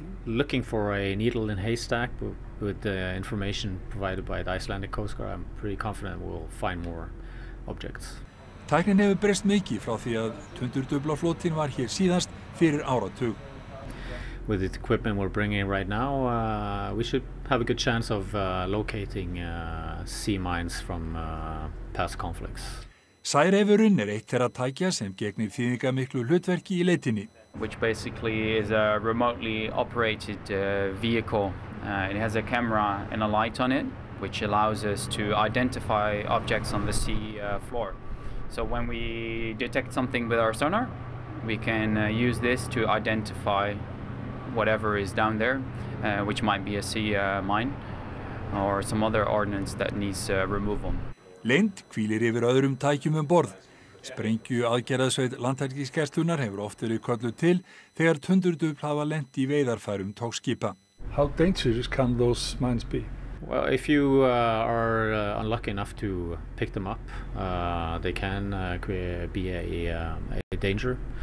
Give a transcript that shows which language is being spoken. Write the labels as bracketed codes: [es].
[en] looking for a needle in haystack, but with the information provided by the Icelandic Coast Guard, I'm pretty confident we'll find more objects. [is] Tæknin hefur breyst mikið frá því að tundurdufla flotinn var hér síðast fyrir áratug. [en] With the equipment we're bringing right now, we should have a good chance of locating sea mines from past conflicts. [is] Særefurinn eitt þeirra tækja sem gegnir þýðingarmiklu hlutverki í leitinni. [en] Which basically is a remotely operated vehicle. It has a camera and a light on it, which allows us to identify objects on the sea floor. So when we detect something with our sonar, we can use this to identify whatever is down there, which might be a sea mine or some other ordnance that needs removal. [is] Leynd hvílir yfir öðrum tækjum um borð. Sprengju aðgerðasveit Landhelgisgæslunar hefur oft verið kölluð til þegar tundurdufl hafa lent í veiðarfærum tókskipa. [en] How dangerous can those mines be? Well, if you are unlucky enough to pick them up, they can be a danger.